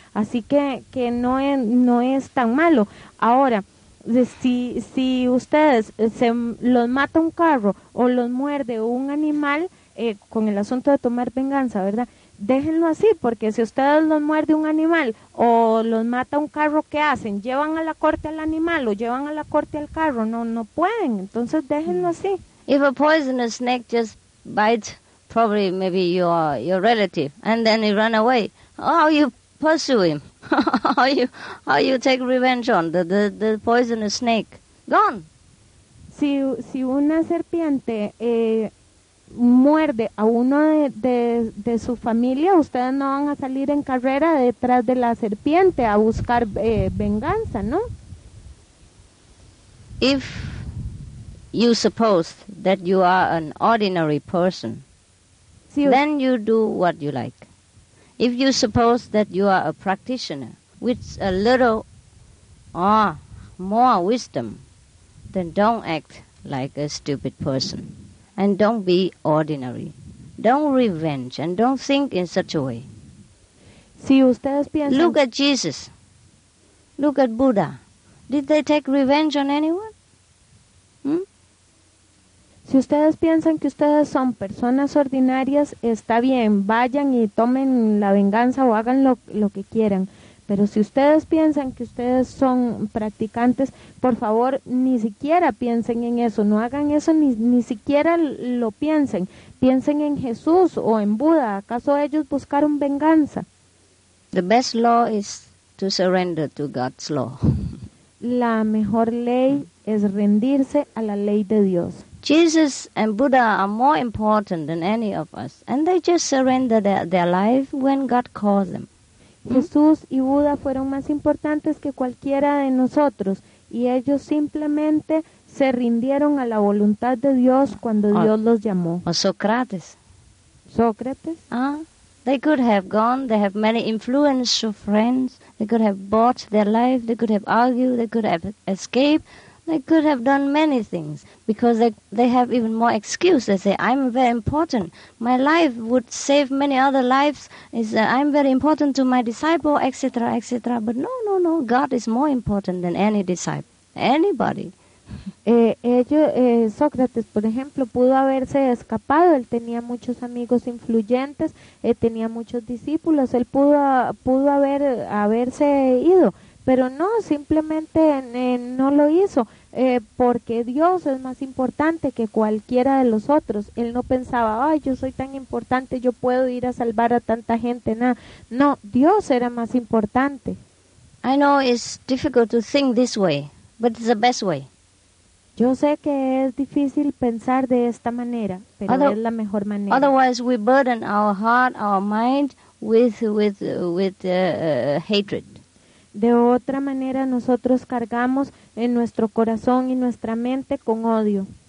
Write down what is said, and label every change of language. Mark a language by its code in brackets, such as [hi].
[es] Así que no es tan malo. Ahora, si ustedes se los mata un carro o los muerde un animal, con el asunto de tomar venganza, ¿verdad? Déjenlo así, porque si ustedes los muerde un animal o los mata un carro, ¿qué hacen? ¿Llevan a la corte al animal o llevan a la corte al carro? No pueden, entonces déjenlo así. [en] If a poisonous snake just bites, probably maybe your relative, and then he run away, how you pursue him? How you take revenge on the poisonous snake? Gone. [es] Si una serpiente muerde a uno de su familia, ustedes no van a salir en carrera detrás de la serpiente a buscar venganza, ¿no? [en] If you suppose that you are an ordinary person, si then you do what you like. If you suppose that you are a practitioner with a little or more wisdom, then don't act like a stupid person. And don't be ordinary. Don't revenge and don't think in such a way. [es] Si ustedes piensan, [en] look at Jesus. Look at Buddha. Did they take revenge on anyone? [es] Si ustedes piensan que ustedes son personas ordinarias, está bien, vayan y tomen la venganza o hagan lo que quieran. Pero si ustedes piensan que ustedes son practicantes, por favor, ni siquiera piensen en eso. No hagan eso, ni siquiera lo piensen. Piensen en Jesús o en Buda. ¿Acaso ellos buscaron venganza? [en] The best law is to surrender to God's law. [es] La mejor ley es rendirse a la ley de Dios. [en] Jesus and Buddha are more important than any of us, and they just surrender their life when God calls them. [es] Jesús y Buda fueron más importantes que cualquiera de nosotros, y ellos simplemente se rindieron a la voluntad de Dios cuando Dios los llamó. O Sócrates. Sócrates. [en] They could have gone, they have many influential friends, they could have bought their life, they could have argued, they could have escaped, they could have done many things, because they have even more excuse. They say, I'm very important. My life would save many other lives. I'm very important to my disciple, etc., etc. But no. God is more important than any disciple, anybody. [es] Sócrates, por ejemplo, pudo haberse escapado. Él tenía muchos amigos influyentes. Tenía muchos discípulos. Él pudo haberse ido. Pero no, simplemente no lo hizo, porque Dios es más importante que cualquiera de los otros. Él no pensaba, ay, yo soy tan importante, yo puedo ir a salvar a tanta gente, nada. No, Dios era más importante. [en] I know it's difficult to think this way, but it's the best way. [es] Yo sé que es difícil pensar de esta manera, pero es la mejor manera. [en] Otherwise we burden our heart, our mind with hatred. [es] De otra manera nosotros cargamos en nuestro corazón y nuestra mente con odio.